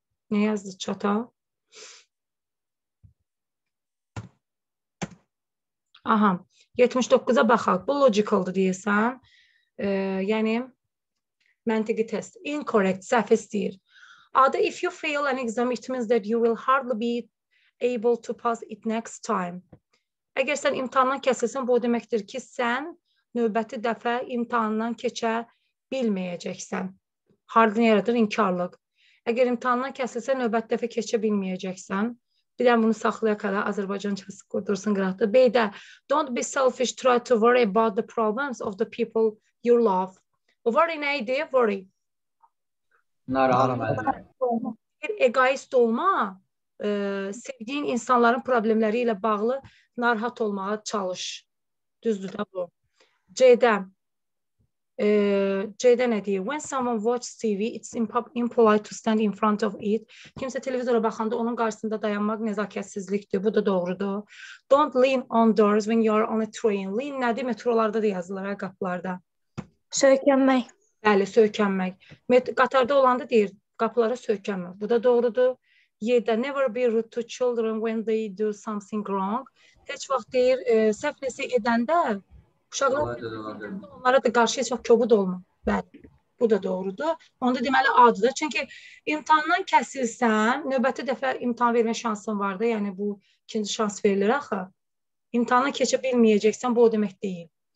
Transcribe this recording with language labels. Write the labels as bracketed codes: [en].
[az] Nə yazdı çata? Aha, 79-a baxaq. Bu logical-dır deyirsən. Yəni, məntiqi test. Incorrect, səhv istəyir. [en] Adı, if you fail an exam, it means that you will hardly be able to pass it next time. [az] Əgər sən imtihandan kəsilsən, bu deməkdir ki, sən növbəti dəfə imtihandan keçə bilməyəcəksən. Hardly yaradır, inkarlıq. Əgər imtihandan kəsilsən, növbəti dəfə keçə bilməyəcəksən. Bir dən bunu saxlaya qədər Azərbaycan çası qurdursun qıraqda. [en] B-də, don't be selfish, try to worry about the problems of the people you love. [az] Worry nə idi? Worry. Narahat olma. Egoist olma, sevdiyin insanların problemləri ilə bağlı narahat olmağa çalış. Düzdür də bu. C-də, C-də nə deyir? [en] When someone watches TV, it's impolite to stand in front of it. [az] Kimsə televizora baxanda onun qarşısında dayanmaq nəzakətsizlikdir. Bu da doğrudur. [en] Don't lean on doors when you are on a train. [az] Lean nədir? Metrolarda da yazılır, qapılarda. Söykənmək. Bəli, söykənmək. Qatarda olanda deyir, qapılara söykənmək. Bu da doğrudur. [en] Yedə, never be rude to children when they do something wrong. [az] Heç vaxt deyir, səhv nəsə edəndə uşaqlar da qarşı heç vaxt köbud olma. Bəli, bu da doğrudur. Onda deməli, adı da. Çünki imtihandan kəsilsən, növbəti dəfə imtihan vermə şansın vardır. Yəni, bu ikinci şans verilir axı. İmtihandan keçə bilməyəcəksən, bu o demək deyil.